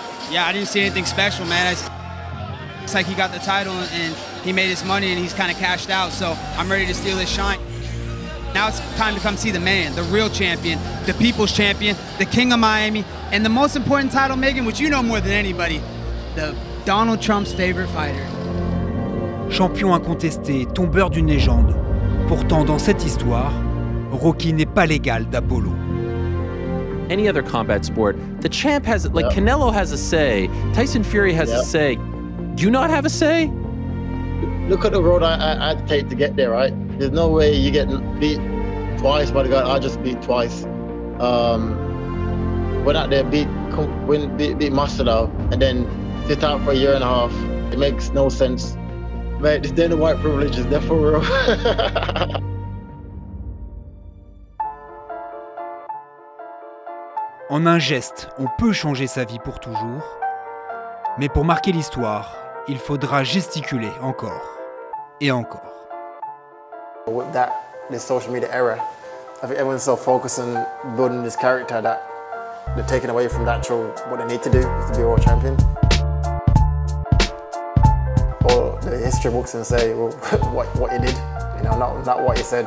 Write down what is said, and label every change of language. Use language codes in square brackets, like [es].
[en] Yeah, I didn't see anything special, man. It's like he got the title, and he made his money, and he's kind of cashed out, so I'm ready to steal his shine. Now it's time to come see the man, the real champion, the people's champion, the king of Miami, and the most important title, Megan, which you know more than anybody, the Donald Trump's favorite fighter. [fr] Champion incontesté, tombeur d'une légende. Pourtant, dans cette histoire, Rocky n'est pas l'égal d'Apollo. [en] Any other combat sport, the champ has, like, yeah. Canelo has a say, Tyson Fury has a say. Do you not have a say? Look at the road I had to take to get there, right? there's no way you get beat twice by the guy I just beat twice. Went out there, beat Masvidal, and then sit out for a year and a half. It makes no sense. Man, this Dana White privilege is there for real. [fr] En un geste, on peut changer sa vie pour toujours. Mais pour marquer l'histoire, il faudra gesticuler encore et encore. [en] With that, the social media era, I think everyone's so focused on building this character that they're taking away from the actual what they need to do to be a world champion. Or the history books and say, well, what you did, you know, not what you said.